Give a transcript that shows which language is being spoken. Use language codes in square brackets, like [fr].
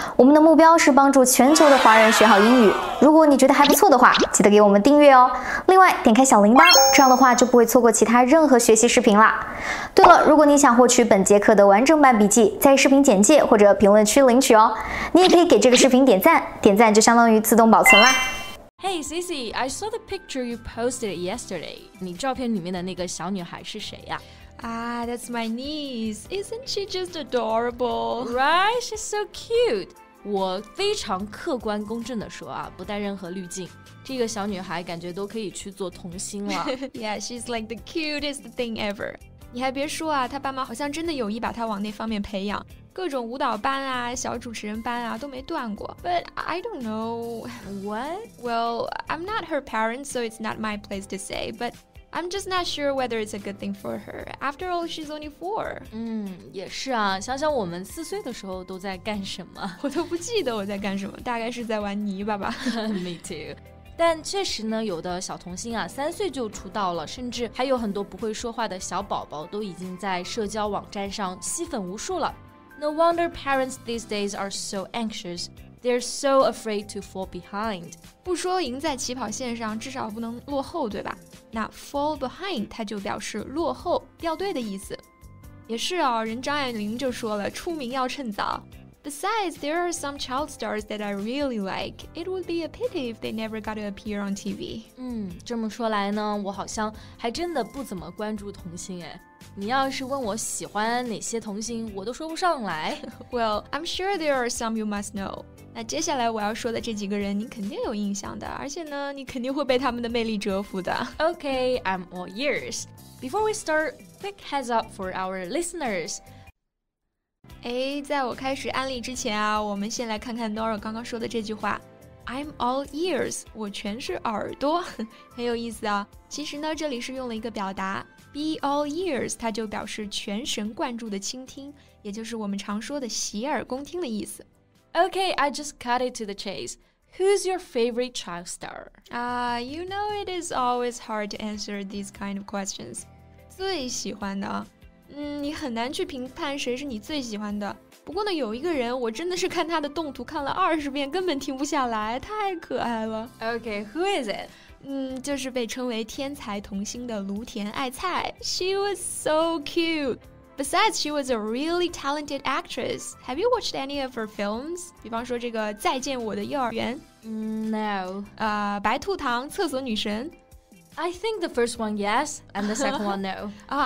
[zh] 我们的目标是帮助全球的华人学好英语。如果你觉得还不错的话，记得给我们订阅哦。另外，点开小铃铛，这样的话就不会错过其他任何学习视频啦。对了，如果你想获取本节课的完整版笔记，在视频简介或者评论区领取哦。你也可以给这个视频点赞，点赞就相当于自动保存啦。 [en] Hey, Cici, I saw the picture you posted yesterday. [zh] 你照片里面的那个小女孩是谁呀？ [en] Ah, that's my niece. Isn't she just adorable? Right? She's so cute. [zh] 我非常客观公正地说啊，不带任何滤镜，这个小女孩感觉都可以去做童星了。 [en] Yeah, she's like the cutest thing ever. [zh] 你还别说啊，她爸妈好像真的有意把她往那方面培养，各种舞蹈班啊，小主持人班啊，都没断过。 [en] But I don't know. What? Well, I'm not her parent, so it's not my place to say, but... I'm just not sure whether it's a good thing for her. After all, she's only four. [zh] 也是啊，想想我们四岁的时候都在干什么。我都不记得我在干什么，大概是在玩泥巴吧。 [en] Me too. [zh] 但确实呢，有的小童星啊，三岁就出道了，甚至还有很多不会说话的小宝宝都已经在社交网站上吸粉无数了。 [en] No wonder parents these days are so anxious. They're so afraid to fall behind. [zh] 不说赢在起跑线上，至少不能落后，对吧？那 fall behind 它就表示落后、掉队的意思。也是哦，人张爱玲就说了，出名要趁早。 [en] Besides, there are some child stars that I really like. It would be a pity if they never got to appear on TV. [zh] 这么说来呢，我好像还真的不怎么关注童星哎。你要是问我喜欢哪些童星，我都说不上来。 [en] Well, I'm sure there are some you must know. [zh] 那接下来我要说的这几个人你肯定有印象的，而且呢你肯定会被他们的魅力折服的。 [en] OK, I'm all ears. Before we start, quick heads up for our listeners. [zh] 在我开始案例之前啊，我们先来看看 Nora 刚刚说的这句话。 [en] I'm all ears, [zh] 我全是耳朵。很有意思啊，其实呢这里是用了一个表达 Be all ears, 它就表示全神贯注的倾听，也就是我们常说的洗耳恭听的意思。 [en] Okay, I just cut it to the chase. Who's your favorite child star? You know it is always hard to answer these kind of questions. [zh] 最喜欢的？你很难去评判谁是你最喜欢的。不过呢，有一个人，我真的是看他的动图看了20遍，根本停不下来，太可爱了。 [en] Okay, who is it? [zh] 就是被称为天才童星的芦田爱菜。 [en] She was so cute. Besides, she was a really talented actress. Have you watched any of her films? [zh] 比方说这个《再见我的幼儿园》 [en] No. [zh] 白兔糖、厕所女神 [en] I think the first one, yes, and the second one, no.